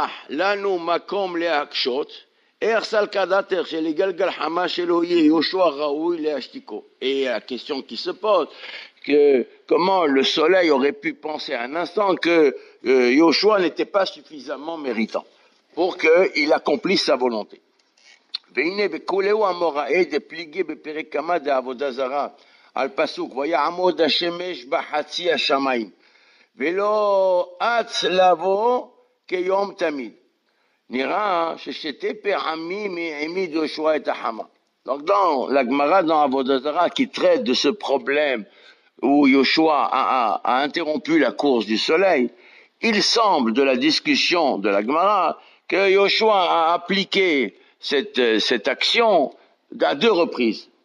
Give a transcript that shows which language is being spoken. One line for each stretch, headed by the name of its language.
French: Et la question qui se pose, comment le soleil aurait pu penser un instant que Yoshua n'était pas suffisamment méritant pour qu'il accomplisse sa volonté?
Hebrew: והנה בכולהו המוראה דפליגי בפרק כמה דעבודה זרה על פסוק ויעמוד השמש בחצי השמיים ולא אץ לבוא כיום תמיד. נראה ששתי פעמים העמיד יהושע את החמה.
French: Donc dans la Gemara dans Avodah Zarah qui traite de ce problème où Yoshua a interrompu la course du soleil, il semble de la discussion de la Gemara que Yoshua a appliqué cette action à deux reprises.